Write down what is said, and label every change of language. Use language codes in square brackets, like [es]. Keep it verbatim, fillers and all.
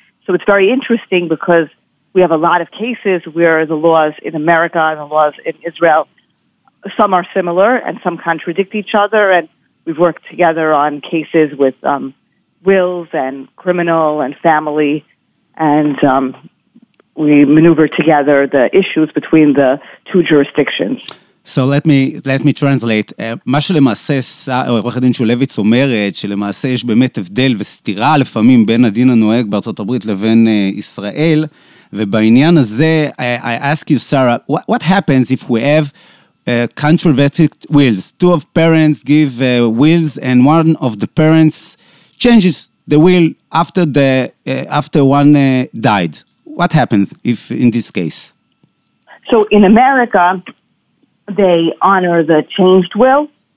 [en] So it's very interesting because we have a lot of cases where the laws in America and the laws in Israel, some are similar and some contradict each other, and we've worked together on cases with um wills and criminal and family, and um, we maneuver together the issues between the two jurisdictions. So let me, let me translate. [he] Uh, מה שלמעשה, עורך הדין שולביץ אומרת, שלמעשה יש באמת הבדל וסתירה לפעמים בין הדין הנוהג בארצות הברית לבין uh, ישראל, ובעניין הזה, [en] I, I ask you, Sarah, what, what happens if we have Uh, controverted wills? Two of parents give uh, wills, and one of the parents changes the will after the uh, after one uh, died. What happens if in this case? So in America, they honor the changed will.